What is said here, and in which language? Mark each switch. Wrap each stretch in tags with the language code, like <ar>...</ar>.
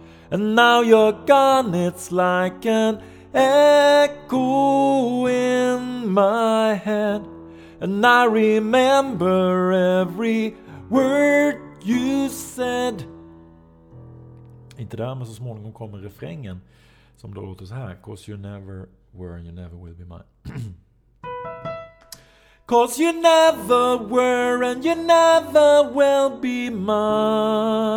<en>And now you're gone, it's like an echo in my head. And I remember every word you said.</en> <sv>Inte där, men så småningom kommer refrängen som då låter så här.</sv> <en>'Cause you never were and you never will be mine. 'Cause you never were and you never will be mine.</en>